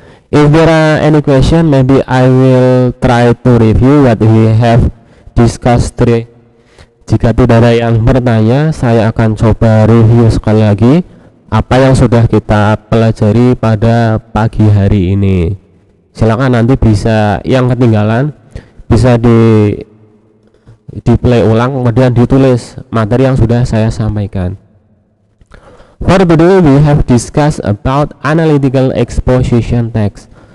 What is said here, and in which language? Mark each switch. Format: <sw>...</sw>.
<en>If there are any question, maybe I will try to review what we have discussed today.</en> <id>Jika tidak ada yang bertanya, saya akan coba review sekali lagi apa yang sudah kita pelajari pada pagi hari ini. Silakan, nanti bisa yang ketinggalan bisa di play ulang, kemudian ditulis materi yang sudah saya sampaikan.</id> <en>For today, we have discussed about analytical exposition text.</en>